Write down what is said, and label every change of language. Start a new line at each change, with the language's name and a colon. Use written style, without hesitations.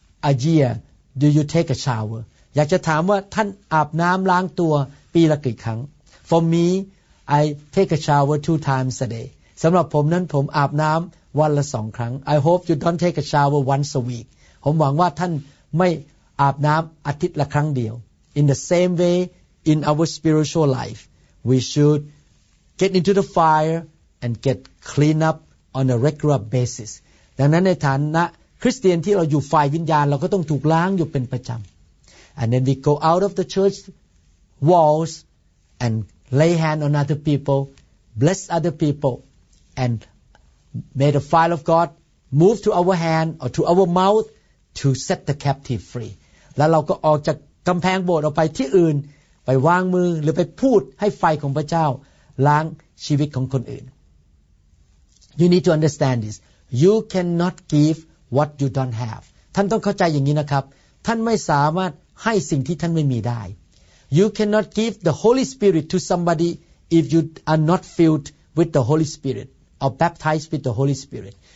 English: a year do you take a shower
Thai: อยากจะถามว่าท่านอาบน้ำล้างตัวปีละกี่ครั้ง
English: For me I take a shower 2 times a day
Thai: สำหรับผมนั้นผมอาบน้ำวันละ2 ครั้ง
English: I hope you don't take a shower once a week
Thai: ผมหวังว่าท่านไม่อาบน้ำอาทิตย์ละครั้งเดียว
English: In the same way in our spiritual life we should get into the fire and get clean up on a regular basis
Thai: ดังนั้นในฐานะคริสเตียนที่เราอยู่ฝ่ายวิญญาณเราก็ต้องถูกล้างอยู่เป็นประจำ
English: And then we go out of the church walls and lay hand on other people, bless other people, and may the fire of God move to our hand or to our mouth to set the captive free.
Thai: แล้วเราก็ออกจากกำแพงโบสถ์ออกไปที่อื่นไปวางมือหรือไปพูดให้ไฟของพระเจ้าล้างชีวิตของคนอื่น
English: You need to understand this. You cannot give what you don't have.
Thai: ท่านต้องเข้าใจอย่างนี้นะครับท่านไม่สามารถให้สิ่งที่ท่านไม่มีได้
English: You cannot give the Holy Spirit to somebody if you are not filled with the Holy Spirit or baptized with the Holy Spirit.